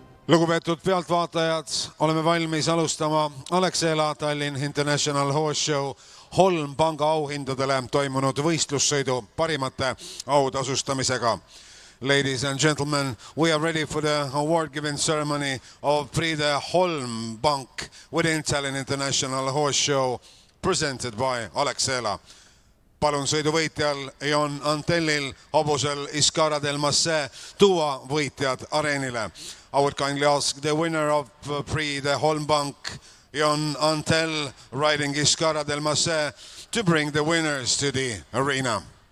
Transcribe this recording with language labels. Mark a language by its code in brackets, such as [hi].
[et] Lugupeetud pealtvaatajad, oleme valmis alustama Alexela Tallinn International Horse Show Holm Panga auhindadele toimunud võistlussõidu parimate autasustamisega. [en] Ladies and gentlemen, we are ready for the award-giving ceremony of Fride Holm Bank within Tallinn International Horse Show presented by Alexela. [et] Palun sõidu võitjal Jon Antellil hobusel Iskara del Masse tuua võitjad areenile. [en] I would kindly ask the winner of Prix de Holmbank, Jon Antell, riding Iskara del Masse, to bring the winners to the arena.